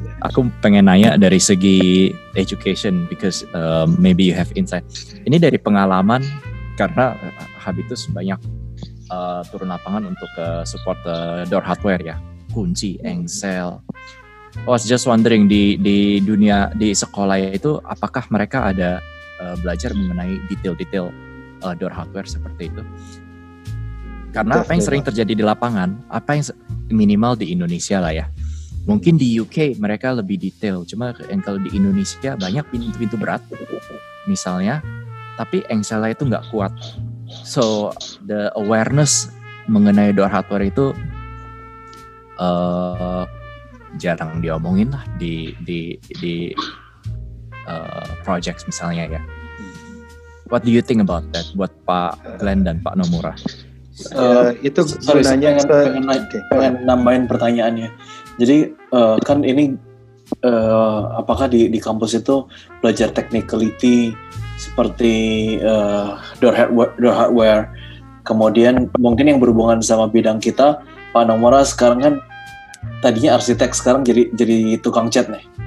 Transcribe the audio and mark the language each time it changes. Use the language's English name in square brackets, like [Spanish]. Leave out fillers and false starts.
[Indonesian] Aku pengen nanya dari segi education, [English] because maybe you have insight. [Indonesian] Ini dari pengalaman, karena Habitus banyak turun lapangan untuk support door hardware ya, kunci, engsel. [English] I was just wondering, [Indonesian] di dunia, di sekolah itu, apakah mereka ada belajar mengenai detail-detail door hardware seperti itu? Karena apa yang sering terjadi di lapangan, apa yang minimal di Indonesia lah ya, mungkin di UK mereka lebih detail, cuma kalau di Indonesia banyak pintu-pintu berat misalnya, tapi engselnya itu nggak kuat. [English] So the awareness [Indonesian] mengenai door hardware itu jarang diomongin lah di projects misalnya ya. [English] What do you think about that [Indonesian] buat [English] Pak Glenn dan Pak Nomura? [Indonesian] Itu sebenarnya pengen nambahin pertanyaannya. Jadi kan ini apakah di kampus itu belajar technicality seperti door hardware, kemudian mungkin yang berhubungan sama bidang kita, Pak Nomura sekarang kan tadinya arsitek, sekarang jadi tukang cat nih.